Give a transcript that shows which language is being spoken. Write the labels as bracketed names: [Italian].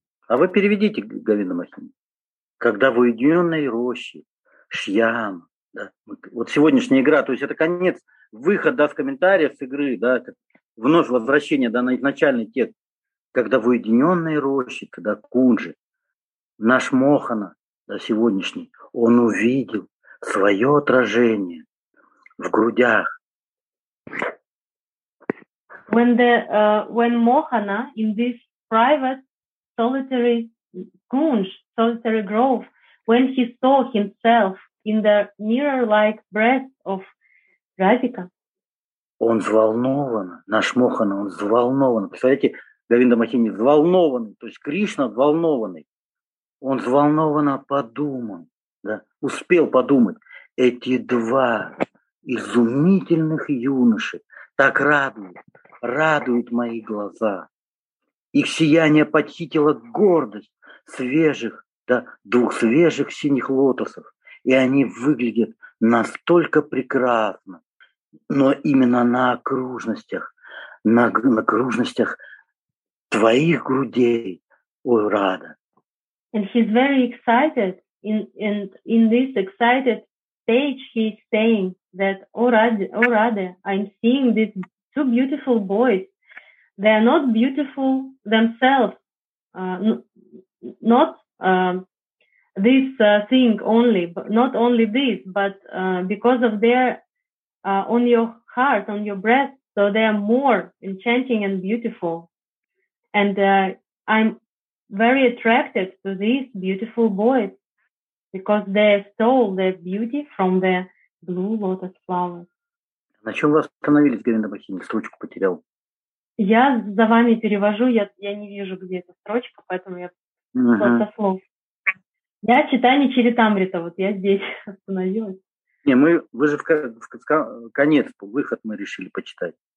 [Russian] А вы переведите, Говинда Махини. Когда в уединенной роще Шьям, да, вот сегодняшняя игра, то есть это конец, выход, да, с комментариев, с игры, да, вновь возвращение, да, на изначальный текст. Когда в уединенной роще, когда Кунджи, наш Мохана, да, сегодняшний, он увидел свое отражение в грудях. [English] When Mohana in this private solitary Kunj, solitary grove, when he saw himself in the mirror-like breast of Radhika. [Russian] Он взволнован, наш Мохана, он взволнован. Представляете, Говинда Махини взволнованный, то есть Кришна взволнованный. Он взволнованно подумал, да, успел подумать. Эти два изумительных юноши так радуют мои глаза. Их сияние подхитило гордость свежих, да, двух свежих синих лотосов. И они выглядят настолько прекрасно. Но именно на окружностях твоих грудей, о Рада. [English] And he's very excited. In this excited stage, he's saying that, о Раде, I'm seeing these two beautiful boys. They are not beautiful themselves. Because of their on your heart, on your breath, so they are more enchanting and beautiful. And I'm very attracted to these beautiful boys because they stole their beauty from the blue lotus flowers. [Russian] На чем вы остановились, Галина Бахини? Строчку потерял. Я за вами перевожу, я не вижу, где эта строчка, поэтому я просто слов. Я читание Чаритамрита, вот я здесь остановилась. Не, мы, вы же в конец, выход мы решили почитать.